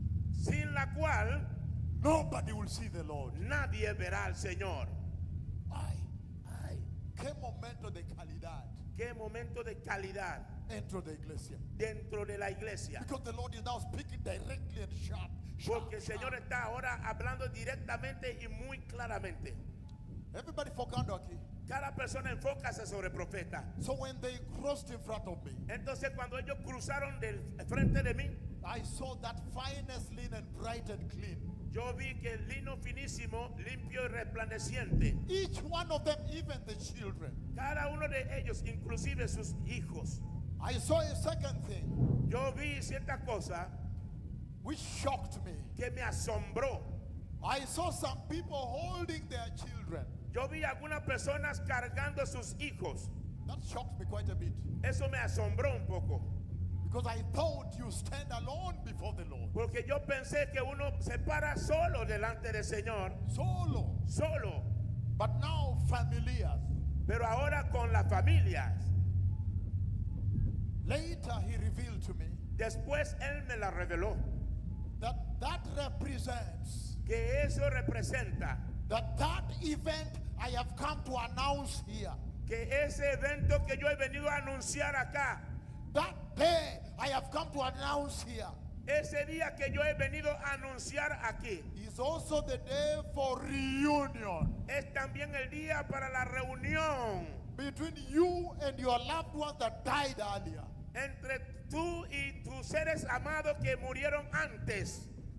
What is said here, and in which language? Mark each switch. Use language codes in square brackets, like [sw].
[es] sin la cual, [en] nobody will see the Lord. [es] Nadie verá al Señor. Ay, qué momento de calidad. Qué momento de calidad. Dentro de la iglesia. Dentro de la iglesia. [en] Because the Lord is now speaking directly and sharp. [es] Porque el Señor está ahora hablando directamente y muy claramente. Everybody focando aquí. Cada persona enfócase sobre el profeta. [en] So when they crossed in front of me, [es] entonces cuando ellos cruzaron del frente de mí, [en] I saw that finest linen bright and clean. [es] Yo vi que el lino finísimo, limpio y resplandeciente. [en] Each one of them, even the children. [es] Cada uno de ellos, inclusive sus hijos. [en] I saw a second thing. [es] Yo vi cierta cosa. [en] Which shocked me. [es] Que me asombró. [en] I saw some people holding their children. [es] Yo vi algunas personas cargando sus hijos. [en] That shocked me quite a bit. [es] Eso me asombró un poco. [en] Because I thought you stand alone before the Lord. [es] Porque yo pensé que uno se para solo delante del Señor. Solo. Solo. [en] But now familias. [es] Pero ahora con las familias. [en] Later he revealed to me. [es] Después él me la reveló. [en] That represents, [es] que eso representa, [en] that event I have come to announce here, [es] que ese evento que yo he venido a anunciar acá, [en] that day I have come to announce here, [es] ese día que yo he venido a anunciar aquí, [en] is also the day for reunion, [es] es también el día para la reunión, [en] between you and your loved ones that died earlier, [es] entre tú y tus seres amados que murieron antes.